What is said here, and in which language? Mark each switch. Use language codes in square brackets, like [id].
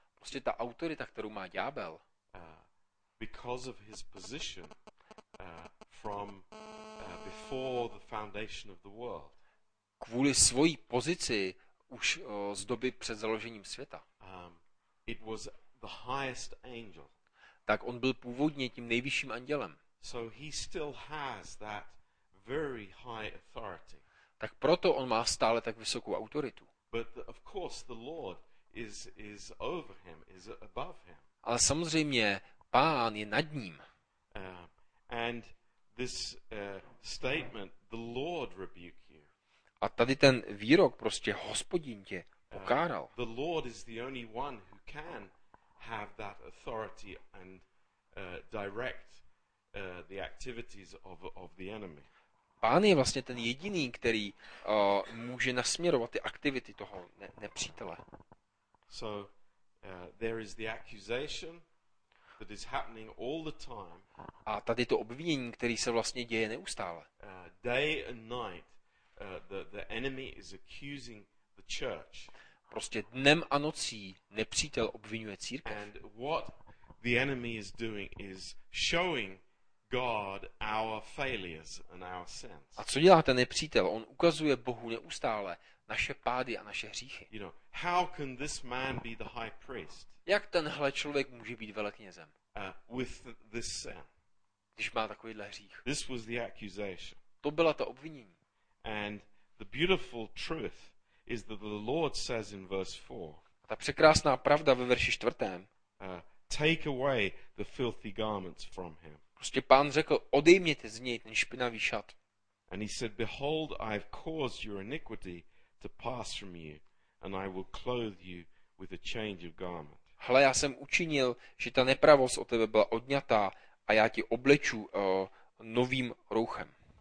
[cs] Prostě ta autorita, kterou má ďábel. [en] Because of his position from before the foundation of the world. [cs] Kvůli svojí pozici už z doby před založením světa. [en] It was the highest angel. [cs] Tak on byl původně tím nejvyšším andělem. [en] So he still has that very high authority. [cs] Tak proto on má stále tak vysokou autoritu. [en] But of course the Lord is over him, is above him. [cs] Ale samozřejmě Pán je nad ním. [en] And this statement, the Lord rebuke you. [cs] A tady ten výrok, prostě Hospodin tě pokáral. [en] The Lord is the only one who can have that authority and direct the activities of the enemy. [cs] Pán je vlastně ten jediný, který může nasměrovat ty aktivity toho nepřítele. [en] So there is the accusation that is happening all the time. [cs] A tady to obvinění, který se vlastně děje neustále. [en] Day and night the enemy is accusing the church. [cs] Prostě dnem a nocí nepřítel obvinuje církev. [en] And what the enemy is doing is showing God our failures and our sins. [cs] A co dělá ten nepřítel? On ukazuje Bohu neustále naše pády a naše hříchy. [en] You know, how can this man be the high priest? [cs] Jak tenhle člověk může být veleknězem? [en] With this sin. [cs] Když má takovýhle hřích. [en] This was the accusation. [cs] To byla ta obvinění. [en] And the beautiful truth is that the Lord says in verse 4. [cs] A ta překrásná pravda ve verši 4. [en] Take away the filthy garments from him. [cs] Prostě Pán řekl, odejměte z něj ten špinavý šat. [en] And he said, behold, I have caused your iniquity to pass from you, and I will clothe you with a change of garment. [cs] Hle, já jsem učinil, že ta nepravost od tebe byla odňatá, a já ti obleču novým rouchem.